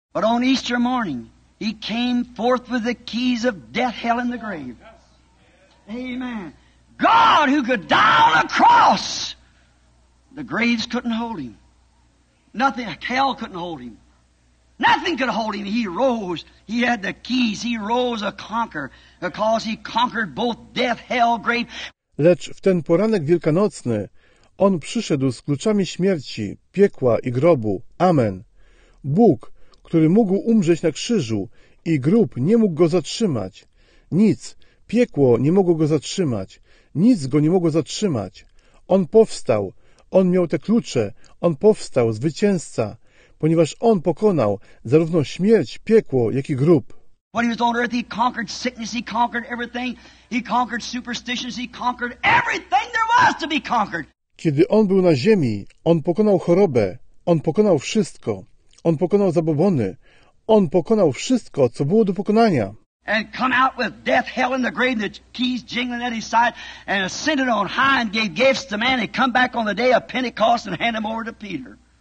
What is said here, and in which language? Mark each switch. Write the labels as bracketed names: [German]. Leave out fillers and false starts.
[English] But on Easter morning, he came forth with the keys of death, hell and the grave. Amen. God who could die on a cross. The graves couldn't hold him. Nothing, hell couldn't hold him. Nothing could hold him. He rose. He had the keys. He rose a conqueror because he conquered both death, hell, grave. [Polish] Lecz w ten poranek wielkanocny on przyszedł z kluczami śmierci, piekła i grobu. Amen. Bóg, który mógł umrzeć na krzyżu i grób nie mógł go zatrzymać. Nic, piekło nie mogło go zatrzymać. Nic go nie mogło zatrzymać. On powstał. On miał te klucze. On powstał, zwycięzca. Ponieważ on pokonał zarówno śmierć, piekło, jak i grób. [English] When he was on earth, he conquered sickness, he conquered everything. He conquered superstitions, he conquered everything there was to be conquered. [Polish] Kiedy on był na ziemi, on pokonał chorobę. On pokonał wszystko. On pokonał zabobony. On pokonał wszystko, co było do pokonania. [English] And come out with death, hell and the grave, the keys jingling at his side, and ascended on high and gave gifts to man and come back on the day of Pentecost and hand him over to Peter.